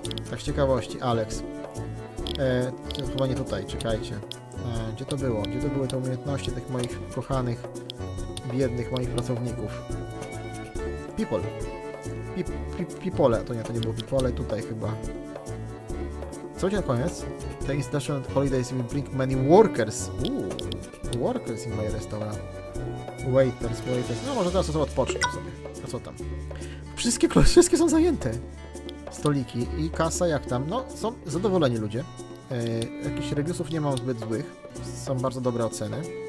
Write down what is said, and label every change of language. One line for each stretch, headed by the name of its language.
Polish: Tak z ciekawości, Alex. To chyba nie tutaj, czekajcie. Gdzie to było? Gdzie to były te umiejętności tych moich kochanych, biednych moich pracowników?
English: People.
Polish: Pipole, to nie było pipole, tutaj chyba. Co będzie na koniec?
English: The international holidays will bring many workers. Workers in my restaurant. Waiters.
Polish: No może teraz to sobie odpocznę sobie. A co tam? Wszystkie są zajęte. Stoliki i kasa jak tam. No, są zadowoleni ludzie. Jakichś reviewsów nie mam zbyt złych. Są bardzo dobre oceny.